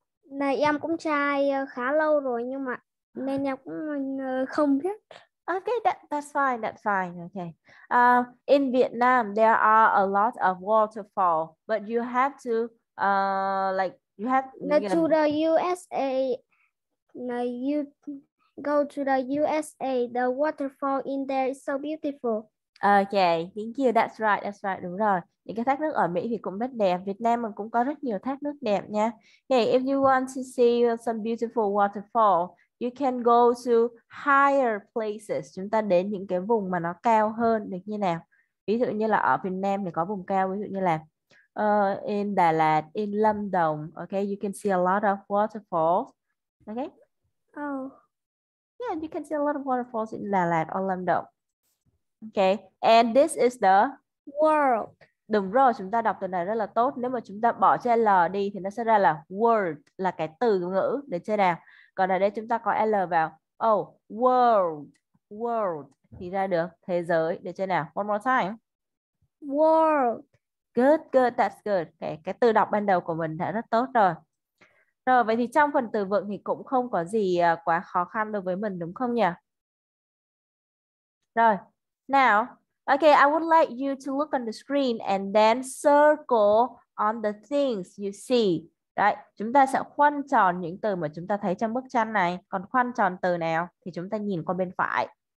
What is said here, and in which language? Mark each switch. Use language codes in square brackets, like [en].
[vi] Này em cũng trai khá lâu rồi nhưng mà nên em cũng không biết. [en] Okay, that's fine. Okay. In Vietnam, there are a lot of waterfall, but you have to like you have To the USA, now you Go to the USA. The waterfall in there is so beautiful. Ok, thank you, that's right, [vi] đúng rồi. Những cái thác nước ở Mỹ thì cũng rất đẹp. Việt Nam mình cũng có rất nhiều thác nước đẹp nha. [en] Okay, if you want to see some beautiful waterfall, you can go to higher places. [vi] Chúng ta đến những cái vùng mà nó cao hơn được như nào? Ví dụ như là ở Việt Nam thì có vùng cao, ví dụ như là in Đà Lạt, in Lâm Đồng. [en] Ok, you can see a lot of waterfalls. Ok. Yeah, you can see a lot of waterfalls in Đà Lạt or Lâm Đồng. Ok, and this is the... World. [vi] Đúng rồi, chúng ta đọc từ này rất là tốt. Nếu mà chúng ta bỏ chữ L đi thì nó sẽ ra là word, là cái từ ngữ để chơi nào. Còn ở đây chúng ta có L vào. Oh, world, world thì ra được thế giới để chơi nào. [en] One more time. World. Good, good, that's good. [vi] Cái từ đọc ban đầu của mình đã rất tốt rồi. Rồi, vậy thì trong phần từ vựng thì cũng không có gì quá khó khăn đối với mình đúng không nhỉ? Rồi, [en] now, okay, I would like you to look on the screen and then circle on the things you see. [vi] Đấy, chúng ta sẽ khoanh tròn những từ mà chúng ta thấy trong bức tranh này. Còn khoanh tròn từ nào thì chúng ta nhìn qua bên phải.